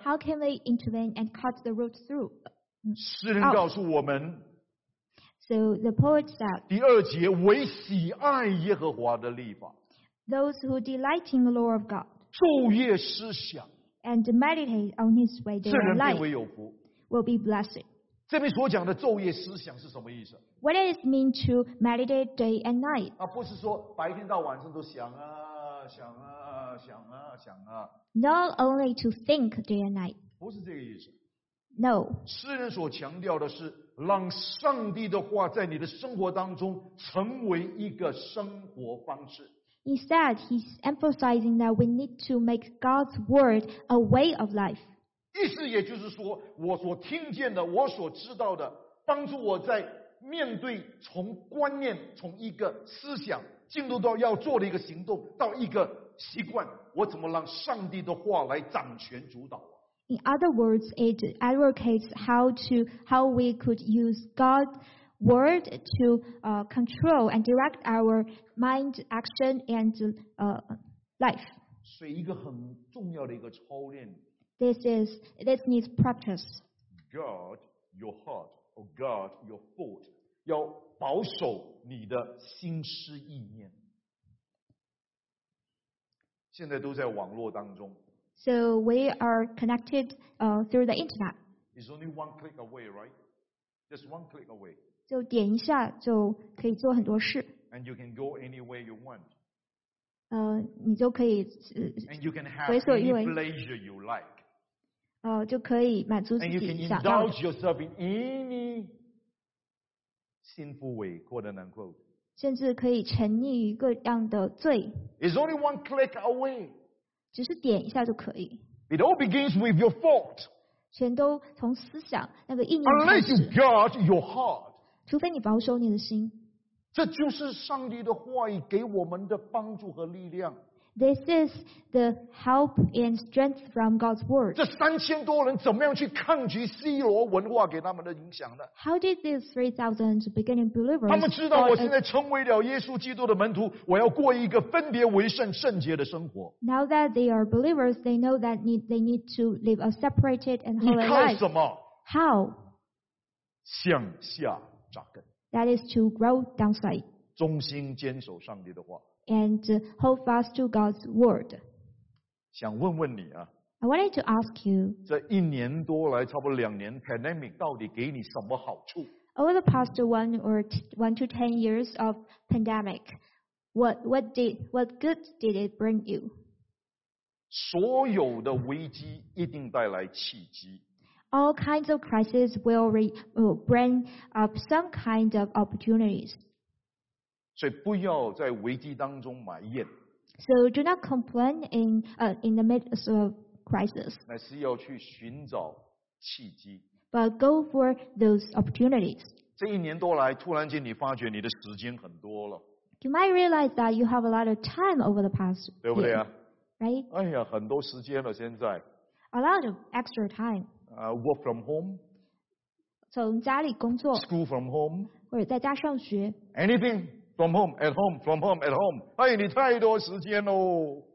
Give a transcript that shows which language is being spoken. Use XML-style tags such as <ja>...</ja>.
<en>How can we intervene and cut the root through?</en> <zh>诗人告诉我们</zh> <en>So the poet said</en> <zh>第二节唯喜爱耶和华的律法</zh> <en>Those who delight in the law of God</en> <zh>昼夜思想</zh> <en>And meditate on his way day and night</en> <zh>为有福</zh> <en>Will be blessed</en> <zh>这边所讲的昼夜思想是什么意思</zh> <en>What does it mean to meditate day and night?</en> <zh>啊，不是说白天到晚上都想啊想啊想啊想啊</zh> <en>Not only to think day and night</en> <zh>不是这个意思</zh> <en>No</en> <zh>诗人所强调的是让上帝的话在你的生活当中成为一个生活方式</zh> <en>Instead he's emphasizing that we need to make God's word a way of life</en> <zh>意思也就是说我所听见的我所知道的帮助我在面对从观念从一个思想进入到要做的一个行动到一个习惯我怎么让上帝的话来掌权主导</zh> <en>In other words, it advocates how we could use God's word to control and direct our mind, action, and life.</en> <zh>所以一个很重要的一个操练</zh> <en>This needs practice. Guard your heart, or guard your thought.</en> <zh>要保守你的心思意念。现在都在网络当中。</zh> <en>So we are connected through the internet. It's only one click away, right? Just one click away.</en> <zh>就点一下就可以做很多事。</zh> <en>And you can go anywhere you want.</en> <zh>你就可以</zh> <en>And you can have any pleasure you like.</en> <zh>就可以满足自己想要的。</zh> <en>And you can indulge yourself in any. Sinful way, quote unquote.</en> <zh>甚至可以沉溺于各样的罪。</zh> <en>It's only one click away.</en> <zh>只是点一下就可以。</zh> <en>It all begins with your thought.</en> <zh>全都从思想那个意念开始。</zh> <en>Unless you guard your heart.</en> <zh>除非你保守你的心。这就是上帝的话语给我们的帮助和力量。</zh> <en>This is the help and strength from God's word.</en> <zh>这三千多人怎么样去抗拒希罗文化给他们的影响呢</zh> <en>How did these 3,000 beginning believers?</en> <zh>他们知道我现在成为了耶稣基督的门徒，我要过一个分别为圣、圣洁的生活。</zh> <en>Now that they are believers, they know that they need to live a separated and holy life.</en> <zh>你靠什么</zh> <en>？How?</en> <zh>向下扎根。</zh> <en>That is to grow downside.</en> <zh>忠心坚守上帝的话。</zh> <en>And hold fast to God's word.</en> <zh>想问问你啊</zh> <en>I wanted to ask you.</en> <zh>这一年多来，差不多两年 ，pandemic 到底给你什么好处</zh> <en>？Over the past one to ten years of pandemic, what good did it bring you?</en> <zh>所有的危机一定带来契机。</zh> <en>All kinds of crises will bring up some kind of opportunities.</en> <zh>所以不要在危机当中埋怨。</zh> <en>So do not complain in the midst of crisis.</en> <zh>乃是要去寻找契机。</zh> <en>But go for those opportunities.</en> <zh>这一年多来，突然间你发觉你的时间很多了。</zh> <en>You might realize that you have a lot of time over the past year.</en> <zh>对不对啊</zh> <en>？Right?</en> <zh>哎呀，很多时间了现在。</zh> <en>A lot of extra time. Work from home.</en> <zh>从家里工作。</zh> <en>School from home.</en> <zh>或者在家上学。</zh> <en>Anything.From home, at home, from home, at home.</en> <zh>哎，你太多时间喽。</zh>